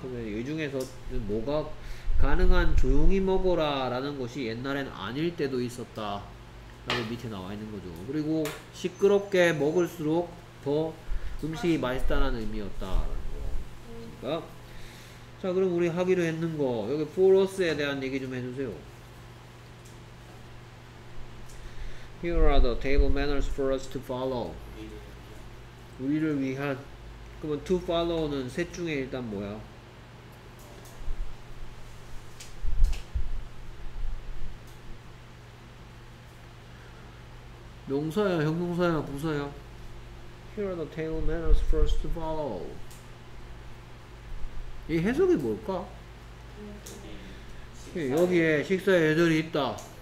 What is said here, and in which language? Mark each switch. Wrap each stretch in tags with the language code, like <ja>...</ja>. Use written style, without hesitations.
<ko>그러면 이 중에서 뭐가 가능한 조용히 먹어라 라는 것이 옛날엔 아닐 때도 있었다 라고 밑에 나와 있는 거죠. 그리고 시끄럽게 먹을수록 더 음식이 맛있다는 의미였다 라는 거. 그렇습니까? 자, 그럼 우리 하기로 했는 거 여기 포러스에 대한 얘기 좀 해주세요.</ko> <en>Here are the table manners for us to follow.</en> <ko>우리를 위한. 그러면</ko> <en>to follow</en> <ko>는 셋 중에 일단 뭐야? 명사야, 형용사야, 부사야?</ko> <en>Here are the table manners for us to follow.</en> <ko>이 해석이 뭘까? 여기에 식사의 예절이 있다.</ko>